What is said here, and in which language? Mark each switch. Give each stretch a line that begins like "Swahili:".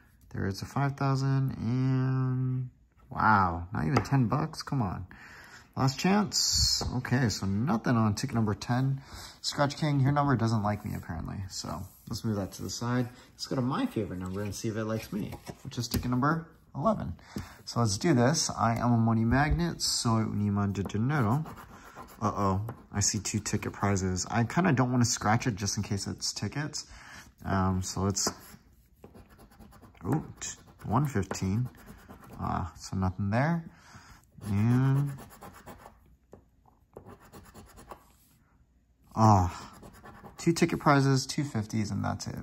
English: There is a $5,000 and wow, not even 10 bucks, come on. Last chance. Okay, so nothing on ticket number 10. Scratch King, your number doesn't like me, apparently. So let's move that to the side. Let's go to my favorite number and see if it likes me, which is ticket number 11. So let's do this. I am a money magnet,
Spanish: soy un imán de dinero.
English: Uh-oh, I see two ticket prizes. I kind of don't want to scratch it just in case it's tickets. So let's, oh, 115. So nothing there. And oh, two ticket prizes, two 50s, and that's it.